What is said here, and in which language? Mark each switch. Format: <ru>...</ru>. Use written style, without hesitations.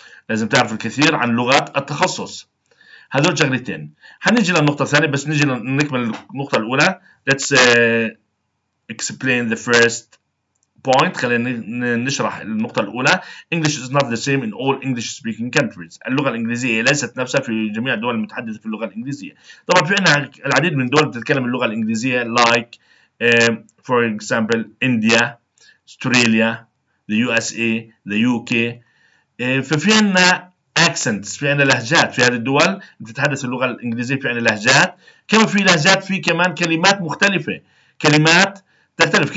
<ar>لازم تعرف الكثير عن لغات التخصص. هذول شغلتين. هنيجي للنقطة الثانية، بس نيجي نكمل النقطة الأولى.</ar> <en>Let's explain the first point.</en> <ar>خلينا نشرح النقطة الأولى.</ar> <en>English is not the same in all English speaking countries.</en> <ar>اللغة الإنجليزية ليست نفسها في جميع الدول المتحدثة في اللغة الإنجليزية. طبعا في عنا العديد من الدول بتتكلم اللغة الإنجليزية</ar> <en>like for example</en> <ar>India, Australia, the USA, the UK. ففي عنا accents، في عنا لهجات في هذه الدول بتتحدث اللغة الإنجليزية، في عنا لهجات، كما في لهجات في كمان كلمات مختلفة، كلمات تختلف.</ar>